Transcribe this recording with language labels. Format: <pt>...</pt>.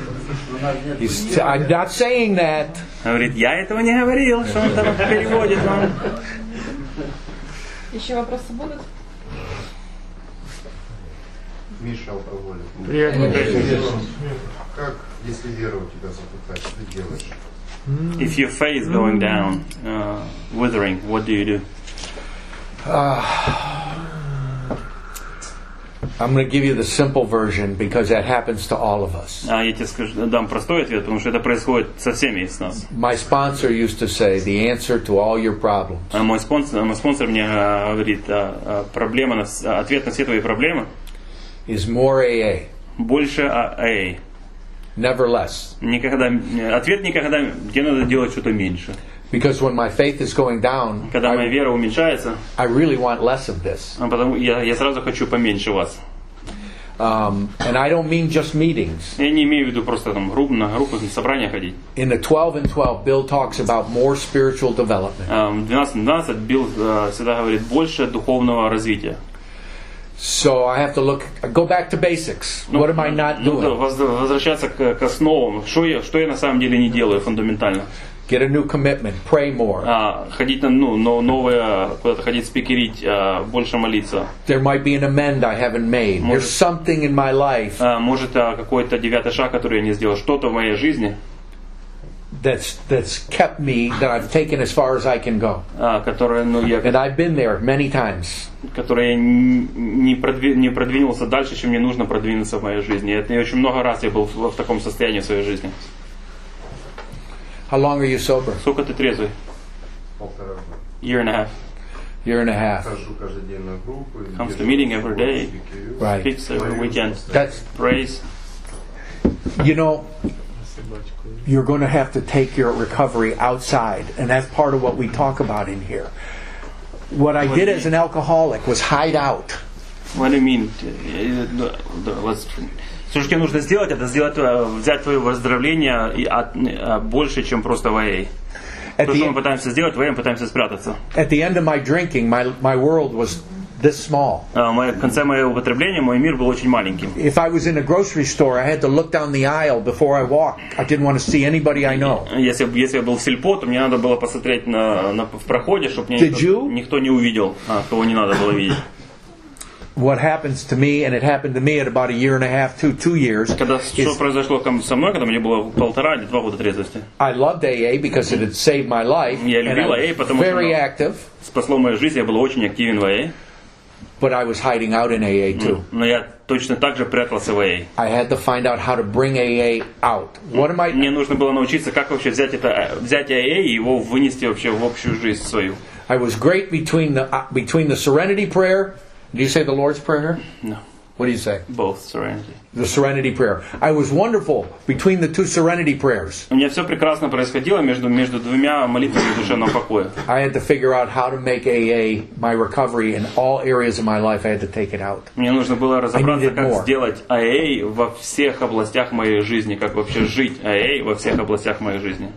<en>I'm not saying that.</en> <ru>Говорит, я этого не говорил, что он там переводит вам. Еще вопросы будут? Миша алкоголик. Привет. Как, если вера у тебя запутает, что ты делаешь?</ru> <en>If your faith is going down, withering, what do you do? I'm going to give you the simple version because that happens to all of us.</en> <ru>А я тебе скажу, дам простой ответ, потому что это происходит со всеми из нас.</ru> <en>My sponsor used to say the answer to all your problems.</en> <ru>А мой спонсор мне говорит, проблема на ответ на все твои проблемы</ru> <en>is more AA.</en> <ru>Больше AA.</ru> <en>Never less.</en> <ru>Никогда ответ никогда, где надо делать что-то меньше.</ru> <en>Because when my faith is going down,</en> <ru>когда моя вера уменьшается,</ru> <en>I really want less of this.</en> <ru>Потому я сразу хочу поменьше вас.</ru> <en>And I don't mean just meetings.</en> <ru>Я не имею в виду просто там на группу на собрания ходить.</ru> <en>In the 12 and 12, Bill talks about more spiritual development.</en> <ru>12 Bill всегда говорит больше духовного развития.</ru> <en>So I have to look, go back to basics. What am I not doing?</en> <ru>Возвращаться к основам. Что я на самом деле не делаю фундаментально?</ru> <en>Get a new commitment. Pray more.</en> <ru>Ходить на новое куда-то ходить спикерить, больше молиться.</ru> <en>There might be an amend I haven't made. There's something in my life.</en> <ru>Может какой-то девятый шаг, который я не сделал, что-то в моей жизни.</ru> <en>That's kept me that I've taken as far as I can go. And I've been there many times.</en> <ru>Которая не продвинулся дальше, чем мне нужно продвинуться в моей жизни. Это очень много раз я был в таком состоянии в своей жизни.</ru> <en>How long are you sober?</en> <ru>Сколько ты трезвый? Полтора года.</ru> <en>Year and a half. Year and a half.</en> <ru>Хожу каждый день на группу.</ru> <en>Comes to meeting every day. Right. Speaks every weekend. That's praise. You know, you're going to have to take your recovery outside, and that's part of what we talk about in here. What I did as an alcoholic was hide out. What do you mean? Let's.</en> <ru>Все, что тебе нужно сделать, это взять твое выздоровление больше, чем просто в АА. То, что мы пытаемся сделать, в АА мы пытаемся спрятаться.</ru> <en>At the end of my drinking, my world was this small.</en> <ru>В конце моего употребления мой мир был очень маленьким.</ru> <en>If I was in a grocery store, I had to look down the aisle before I walked. I didn't want to see anybody I know.</en> <ru>Если я был в сельпо, то мне надо было посмотреть на в проходе, чтобы никто не увидел, кого не надо было видеть.</ru> <en>What happens to me, and it happened to me at about a year and a half, two years.</en> <ru>Что произошло со мной, когда мне было полтора или два года трезвости?</ru> <en>I loved AA because it had saved my life.</en> <ru>Я любил AA, потому что</ru> <en>very active.</en> <ru>Спасло мою жизнь. Я был очень активен в AA.</ru> <en>But I was hiding out in AA too.</en> <ru>Но я точно так же прятался в AA.</ru> <en>I had to find out how to bring AA out. What am I?</en> <ru>Мне нужно было научиться, как вообще взять AA и его вынести вообще в общую жизнь свою.</ru> <en>I was great between the Serenity Prayer. Do you say the Lord's Prayer? No. What do you say? Both, Serenity. The Serenity Prayer. I was wonderful between the two Serenity Prayers.</en> <ru>У меня все прекрасно происходило между двумя молитвами душевного покоя.</ru> <en>I had to figure out how to make AA my recovery in all areas of my life. I had to take it out.</en> <ru>Мне нужно было разобраться, как сделать AA во всех областях моей жизни, как вообще жить AA во всех областях моей жизни.</ru>